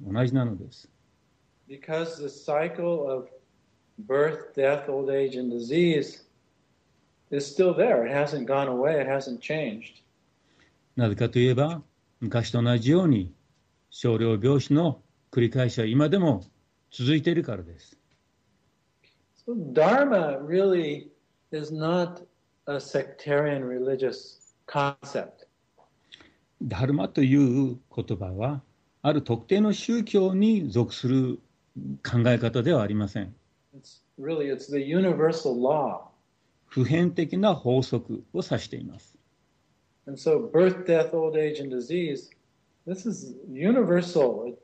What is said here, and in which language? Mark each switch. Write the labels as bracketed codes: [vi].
[ja] 同じなのです。 [en] Because the cycle of birth, death, old age, and disease is still there. It hasn't gone away. It hasn't changed. [ja] なぜかといえば、昔と同じように、少量病死の繰り返しは今でも続いているからです。 [en] So, Dharma really is not a sectarian religious concept. [ja] ダルマという言葉は、ある特定の宗教に属する考え方ではありません。 [en] It's the universal law. [ja] 普遍的な法則を指しています。 [en] And so, birth, death, old age, and disease, this is universal.